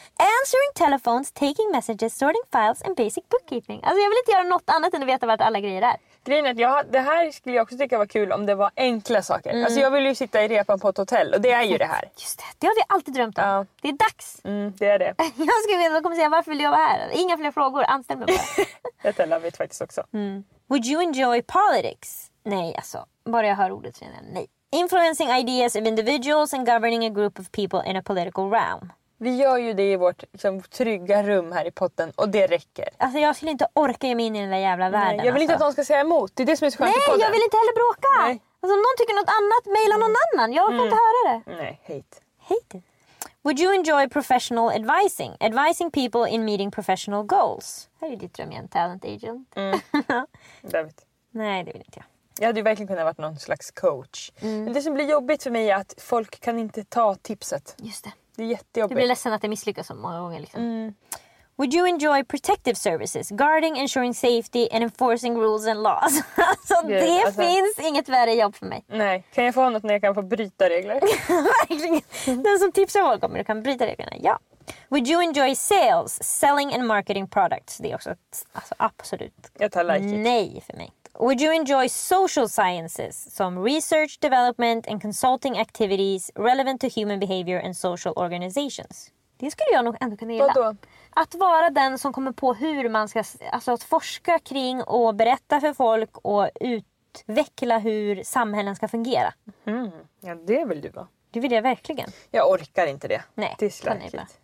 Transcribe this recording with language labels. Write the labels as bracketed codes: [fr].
[en] Answering telephones, taking messages, sorting files and basic bookkeeping. [sv] Alltså jag vill inte göra något annat än att veta vart alla grejer är. Grejen är att det här skulle jag också tycka var kul om det var enkla saker. Mm. Alltså jag vill ju sitta i repan på ett hotell och det är ju det här. Just det, det har vi alltid drömt om. Ja. Det är dags. Mm, det är det. Jag ska vilja komma och säga varför vill jag vara här? Inga fler frågor, anställ mig bara. Detta [en] love it [sv] faktiskt också. [en] Mm. Would you enjoy politics? [sv] Nej, alltså. Bara jag hör ordet känner jag nej. [en] Influencing ideas of individuals and governing a group of people in a political realm. [sv] Vi gör ju det i vårt liksom, trygga rum här i potten. Och det räcker. Alltså jag skulle inte orka ge mig in i den där jävla världen. Nej, jag vill Inte att någon ska säga emot. Det är det som är så skönt nej, i podden. Nej, jag vill inte heller bråka. Nej. Alltså om någon tycker något annat, mejla någon annan. Jag kan inte höra det. Nej, [en] hate. Hate it. Would you enjoy professional advising? Advising people in meeting professional goals. [sv] Här är ju ditt dröm igen, talent agent. Mm. David. Nej, det vill inte jag. Jag hade ju verkligen kunnat vara någon slags coach. Mm. Men det som blir jobbigt för mig är att folk kan inte ta tipset. Just det. Det är jättejobbigt. Du blir ledsen att det misslyckas så många gånger liksom. Mm. [en] Would you enjoy protective services? Guarding, ensuring safety and enforcing rules and laws. [sv] Alltså det alltså, finns inget värre jobb för mig. Nej, kan jag få något när jag kan få bryta regler? Verkligen. Den som tipsar folk om du kan bryta reglerna, ja. [en] Would you enjoy sales, selling and marketing products? [sv] Det är också alltså, absolut jag tar [en] like [sv] nej [en] it. [sv] För mig. [en] Would you enjoy social sciences, som research, development and consulting activities relevant to human behavior and social organizations? [sv] Det skulle jag nog ändå kunna gilla. Vadå? Att vara den som kommer på hur man ska, alltså att forska kring och berätta för folk och utveckla hur samhällen ska fungera. Mm. Ja, det vill du va? Det vill jag verkligen. Jag orkar inte det. Nej, [en] dislike.